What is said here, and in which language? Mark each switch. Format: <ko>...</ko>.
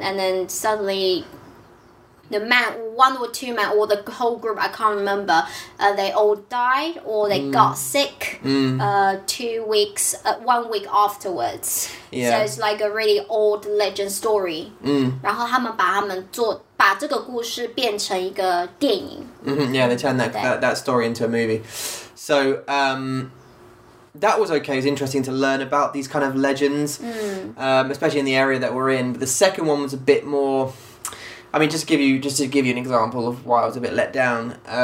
<en>And then suddenly... The man, one or two men, or the whole group, I can't remember, they all died, or they got sick 2 weeks, 1 week afterwards. Yeah. So it's like a really old legend story. Mm.</en> <zh>然后他们把这个故事变成一个电影. Mm-hmm.</zh> <en>Yeah, they turned that story into a movie. So, that was okay. It was interesting to learn about these kind of legends, especially in the area that we're in. But the second one was a bit more... I mean, just to give you an example of why I was a bit let down.</en>